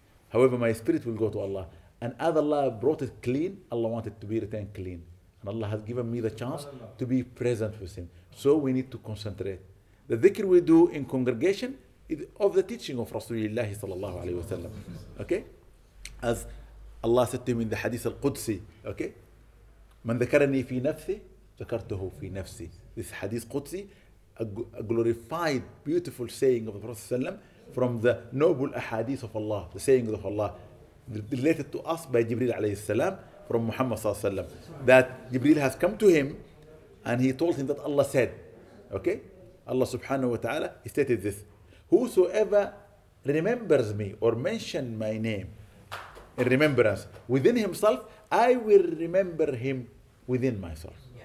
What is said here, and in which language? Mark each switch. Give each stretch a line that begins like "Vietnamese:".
English: However, my spirit will go to Allah. And as Allah brought it clean, Allah wanted to be retained clean. And Allah has given me the chance to be present with Him. So we need to concentrate. The dhikr we do in congregation is of the teaching of Rasulullah sallallahu alayhi wasallam. Okay? As Allah said to him in the Hadith al-Qudsi, okay?
Arabic: من ذكرني في نفسي ذكرته في نفسي.
English: This Hadith Qudsi, a glorified, beautiful saying of the Prophet ﷺ from the noble ahadith of Allah, the saying of Allah, related to us by Jibreel alayhi salam from Muhammad sallallahu alayhi wasallam, that Jibreel has come to him and he told him that Allah said, okay, Allah subhanahu wa ta'ala, he stated this, whosoever remembers me or mention my name in remembrance within himself, I will remember him within myself.